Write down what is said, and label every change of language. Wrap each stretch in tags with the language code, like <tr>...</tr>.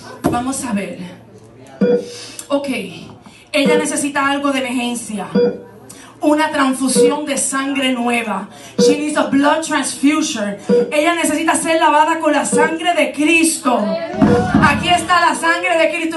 <es>Vamos a ver. Ok. Ella necesita algo de emergencia. Una transfusión de sangre nueva.</es> <en>She needs a blood transfusion.</en> <es>Ella necesita ser lavada con la sangre de Cristo. Aquí está la sangre de Cristo.</es>